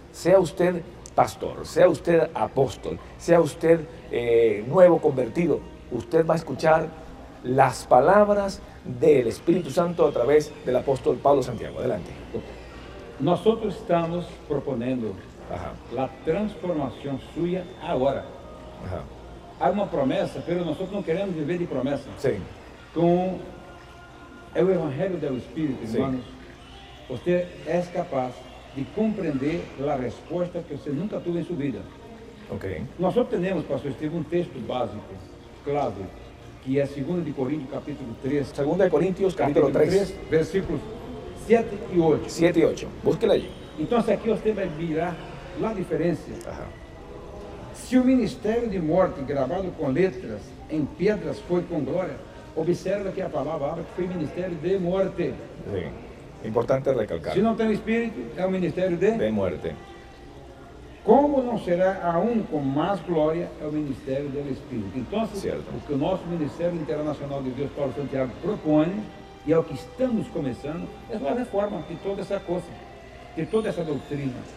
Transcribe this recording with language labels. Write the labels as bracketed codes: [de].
[es] Sea usted pastor, sea usted apóstol, sea usted nuevo convertido, usted va a escuchar las palabras del Espíritu Santo a través del apóstol Pablo Santiago. Adelante. Nosotros estamos proponiendo la transformación suya ahora. Hay una promesa, pero nosotros no queremos vivir de promesa. Sí. Con el Evangelio del Espíritu, hermanos, usted es capaz de comprender la respuesta que [pt] você nunca teve em sua vida. Ok. Nós só temos, pastor Estevam, um texto básico, clave, que é 2 Coríntios, capítulo 3. 2 Coríntios, capítulo 3. Versículos 7 e 8. 7 e 8. Busque-la aí. Então, aqui você vai mirar a diferença. Se o ministério de morte gravado com letras em pedras foi com glória, observa que a palavra abre que foi ministério de morte. Sim. Importante recalcar. [es] Si no tiene espíritu, es un ministerio de... De muerte. ¿Cómo no será aún con más gloria el ministerio del espíritu? Entonces, cierto, lo que nuestro Ministerio Internacional de Dios, Pablo Santiago, propone, y es lo que estamos comenzando, es la reforma de toda esa cosa, de toda esa doctrina.